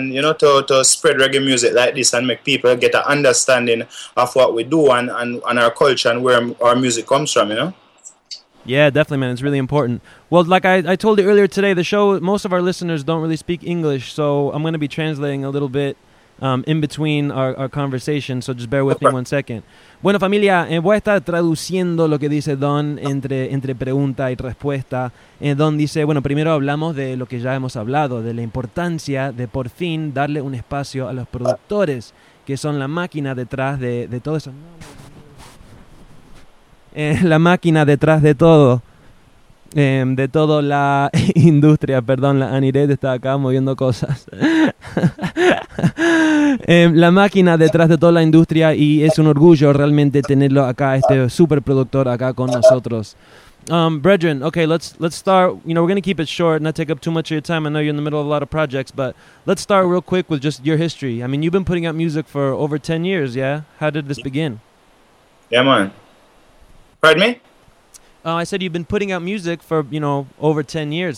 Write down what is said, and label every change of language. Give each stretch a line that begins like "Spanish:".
English: And, you know, to spread reggae music like this and make people get an understanding of what we do and our culture and where our music comes from, you know. Yeah, definitely, man. It's really important. Well, like I told you earlier today, the show, most of our listeners don't really speak English, so I'm going to be translating a little bit in between our conversation, so just bear with me one second.
Spanish: Bueno, familia, voy a estar traduciendo lo que dice Don entre pregunta y respuesta. Don dice, bueno, primero hablamos de lo que ya hemos hablado, de la importancia de por fin darle un espacio a los productores, que son la máquina detrás de todo eso. La máquina detrás de todo, de toda la industria, perdón, la Aniret está acá moviendo cosas. La máquina detrás de toda la industria y es un orgullo realmente tenerlo acá, este super productor acá con nosotros.
English: Brethren, okay, let's start, you know, we're going to keep it short, not take up too much of your time. I know you're in the middle of a lot of projects, but let's start real quick with just your history. I mean, you've been putting out music for over 10 years, yeah? How did this begin? Yeah, man. Pardon me? I said you've been putting out music for, you know, over 10 years.